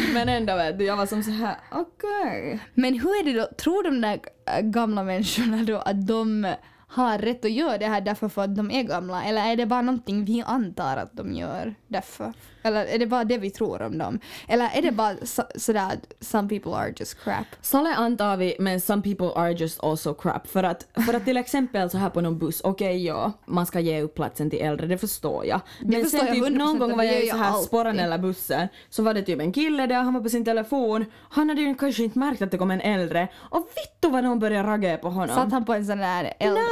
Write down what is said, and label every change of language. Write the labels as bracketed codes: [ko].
[sv] Men ändå vet du, jag var som sådär, okej. Men hur är det då? Tror de där gamla människorna då att de har rätt att göra det här därför för att de är gamla? Eller är det bara någonting vi antar att de gör därför? Eller är det bara det vi tror om dem? Eller är det bara sådär, some people are just crap? [en] Sådär antar vi, men some people are just also crap. [sv] För att till exempel så här på någon buss, okej, man ska ge upp platsen till äldre, det förstår jag. Men förstår sen jag typ någon gång var jag så här spåren eller bussen, så var det typ en kille där, han var på sin telefon. Han hade ju kanske inte märkt att det kom en äldre. Och vittu vad någon började ragga på honom. Satt han på en sån där äldre?